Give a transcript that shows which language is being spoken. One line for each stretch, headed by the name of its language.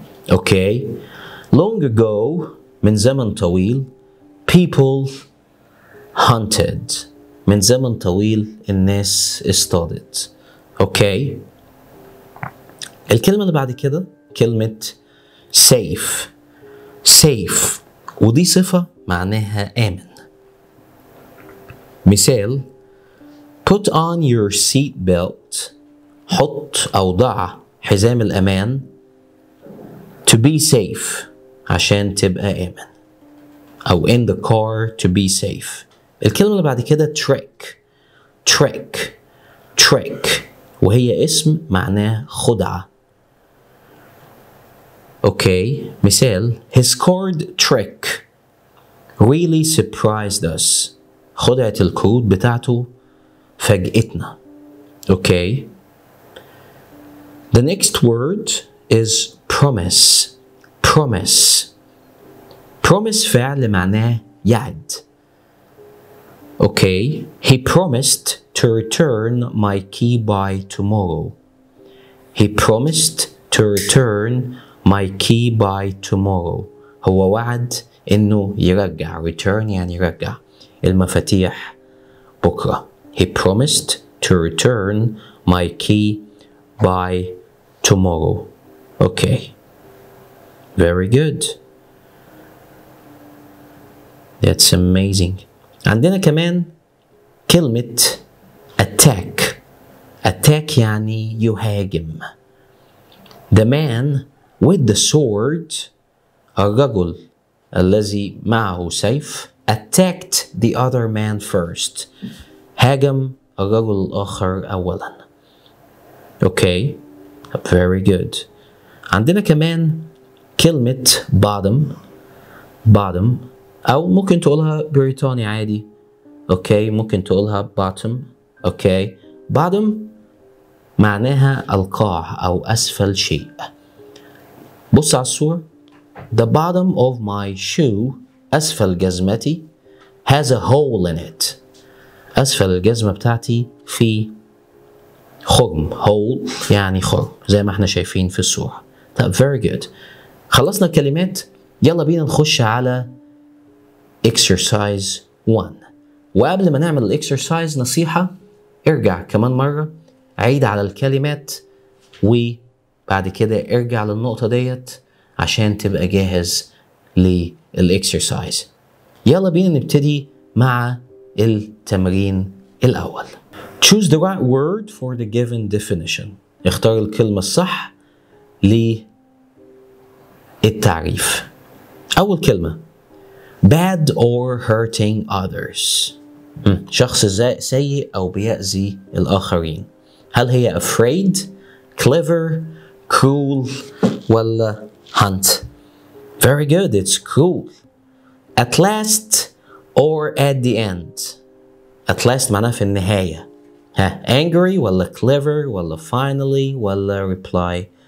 English: Okay. Long ago,
Arabic: من زمن طويل,
English: people hunted.
Arabic: من زمن طويل الناس اصطادت.
English: Okay.
Arabic: الكلمة اللي بعد كده كلمة safe. Safe. ودي صفة معناها آمن. مثال:
English: Put on your seat belt.
Arabic: حط أو ضع حزام الأمان.
English: To be safe.
Arabic: عشان تبقى آمن.
English: أو in the car to be safe.
Arabic: الكلمة اللي بعد كده trick. Trick. Trick. وهي اسم معناه خدعة.
English: Okay. مثال: His card trick really surprised us.
Arabic: خدعة الكود بتاعته فجأتنا. Okay.
English: The next word is promise. Promise. Promise فعل معناه يعد. Okay. He promised to return my key by tomorrow. He promised to return my key by tomorrow.
Arabic: هو وعد انه يرجع. Return يعني يرجع المفاتيح بكرة.
English: He promised to return my key by tomorrow. Okay. Very good. That's amazing.
Arabic: عندنا كمان كلمة attack. Attack يعني يهاجم.
English: The man with the sword,
Arabic: الرجل الذي معه سيف,
English: attacked the other man first.
Arabic: هاجم الرجل الآخر أولا.
English: Okay. Very good.
Arabic: عندنا كمان كلمة bottom. Bottom. أو ممكن تقولها بريطاني عادي. Okay. ممكن تقولها bottom.
English: Okay.
Arabic: Bottom معناها القاع أو أسفل شيء. بص على الصور.
English: The bottom of my shoe,
Arabic: أسفل جزمتي,
English: has a hole in it.
Arabic: أسفل الجزمة بتاعتي في خرم. Hole يعني خرم زي ما احنا شايفين في الصورة.
English: طيب, very good.
Arabic: خلصنا الكلمات, يلا بينا نخش على exercise 1. وقبل ما نعمل exercise, نصيحة: ارجع كمان مرة عيد على الكلمات, وبعد كده ارجع للنقطة ديت عشان تبقى جاهز للإكسرسايز. يلا بينا نبتدي مع التمرين الأول.
English: Choose the right word for the given definition.
Arabic: اختار الكلمة الصح للتعريف. أول كلمة:
English: bad or hurting others.
Arabic: شخص سيء أو بيأذي الآخرين. هل هي afraid, clever, cruel ولا hunt?
English: Very good, it's cruel. At last or at the end.
Arabic: At last معناه في النهاية. Angry ولا clever ولا finally ولا reply.